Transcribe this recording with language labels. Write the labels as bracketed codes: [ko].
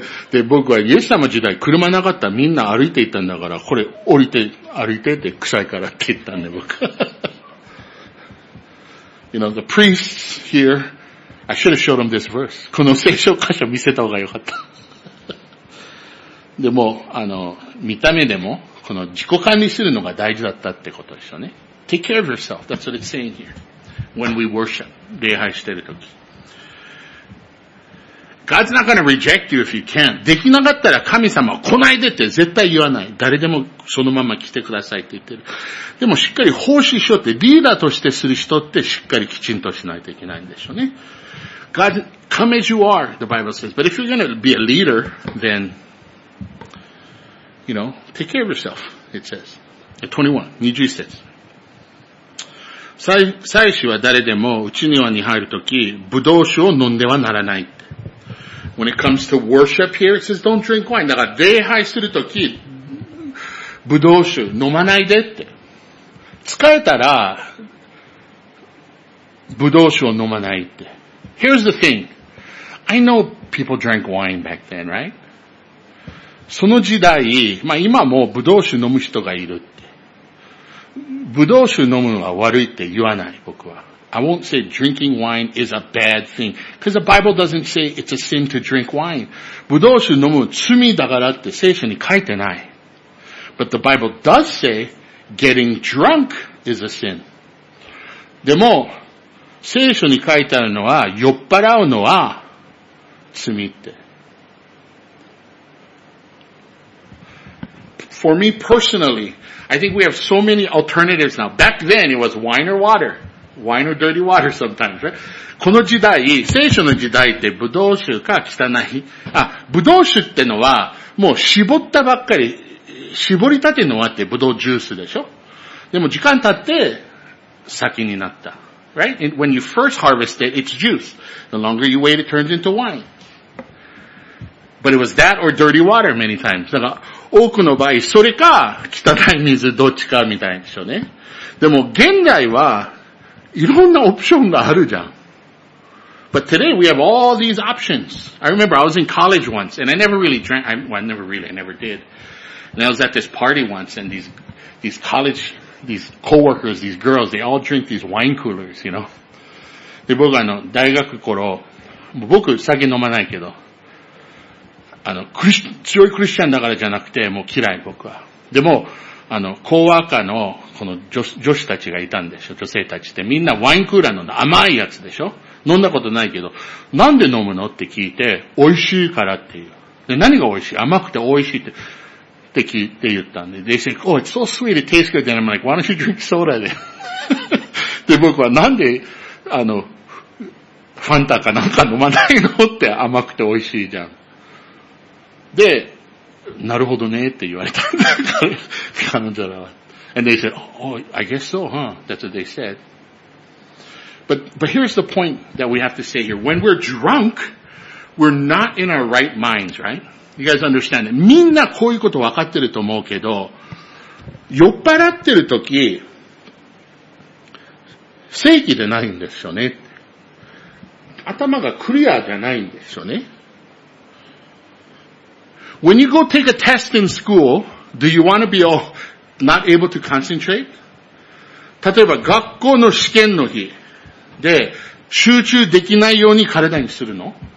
[ja] で、僕は、イエス様時代、車なかったらみんな歩いていったんだから、これ降りて、歩いてって臭いからって言ったんで、僕。 [en] You know, the priests here, I should have showed them this verse. [ja] この聖書箇所見せた方がよかった。でも、あの、見た目でも、この自己管理するのが大事だったってことでしょうね。 [en] Take care of yourself. That's what it's saying here. When we worship, [ja] 礼拝してるとき。 [en] God's not going to reject you if you can. [ja] できなかったら神様来ないでって絶対言わない。誰でもそのまま来てくださいって言ってる。でもしっかり奉仕しようってリーダーとしてする人ってしっかりきちんとしないといけないんでしょうね。 [en] God, come as you are, the Bible says. But if you're going to be a leader, then, you know, take care of yourself, it says. [ja] 21, 21節。祭司は誰でも内庭に入るとき、葡萄酒を飲んではならないって。 [en] When it comes to worship here, it says don't drink wine. [ja] だから礼拝するとき、葡萄酒飲まないでって。疲れたら、葡萄酒を飲まないって。 [en] Here's the thing. I know people drank wine back then, right? [ja] その時代、まあ今も葡萄酒飲む人がいるって。ブドウ酒飲むのは悪いって言わない、僕は。 [en] I won't say drinking wine is a bad thing. Because the Bible doesn't say it's a sin to drink wine. [ja] ブドウ酒飲む罪だからって聖書に書いてない。 [en] But the Bible does say getting drunk is a sin. [ja] でも、聖書に書いてあるのは酔っ払うのは罪って。 [en] For me personally, I think we have so many alternatives now. Back then, it was wine or water. Wine or dirty water sometimes, right? [ja] この時代、聖書の時代って、葡萄酒か汚い。あ、葡萄酒ってのは、もう絞ったばっかり、絞りたてのはって葡萄ジュースでしょ? でも時間経って、酒になった。 [en] Right? And when you first harvest it, it's juice. The longer you wait, it turns into wine. But it was that or dirty water many times. [ja] だから多くの場合、それか、汚い水、どっちか、みたいでしょうね。でも、現代はいろんなオプションがあるじゃん。 [en] But today, we have all these options. I remember, I was in college once, and I never really drank, I never did. And I was at this party once, and these college, these co-workers, these girls, they all drink these wine coolers, you know. [ja] で、僕あの、大学頃、僕、酒飲まないけど、あの、強いクリスチャンだからじゃなくて、もう嫌い僕は。でも、あの、コーワーカーの、この女子たちがいたんでしょ、女性たちって。みんなワインクーラーの甘いやつでしょ飲んだことないけど、なんで飲むのって聞いて、美味しいからっていう。で、何が美味しい甘くて美味しいって聞いて言ったんで。 [en] They say, oh, it's so sweet, it tastes good. And I'm like, why don't you drink soda then? [ja] で、僕はなんで、あの、ファンタかなんか飲まないのって甘くて美味しいじゃん。で、なるほどねって言われた。彼女らは。 [en] And they said, oh, I guess so, huh? That's what they said. But here's the point that we have to say here. When we're drunk, we're not in our right minds, right? You guys understand it. [ja] みんなこういうこと分かってると思うけど、酔っ払ってるとき、正気でないんですよね。頭がクリアじゃないんですよね。 [en] When you go take a test in school, do you want to be all not able to concentrate? [ja] 例えば学校の試験の日で集中できないように体にするの?